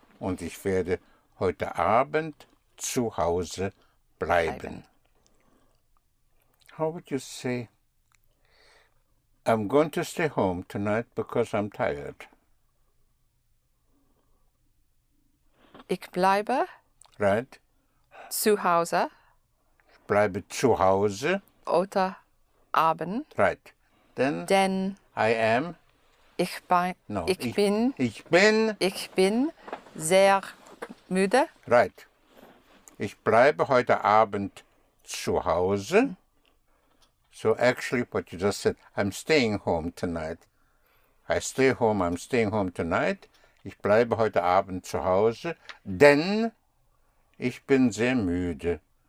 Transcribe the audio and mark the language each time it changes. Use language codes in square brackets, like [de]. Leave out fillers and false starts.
[de] Und ich werde heute Abend zu Hause bleiben. [en] How would you say, I'm going to stay home tonight because I'm tired? [de] Ich bleibe. [en] Right. [de] Zu Hause. Ich bleibe zu Hause. Heute Abend. [en] Right. Then. [de] Denn. [en] I am. [de] Ich bin sehr müde. Right. Ich bleibe heute Abend zu Hause. [en] So actually what you just said, I'm staying home tonight. I stay home, I'm staying home tonight. [de] Ich bleibe heute Abend zu Hause, denn ich bin sehr müde.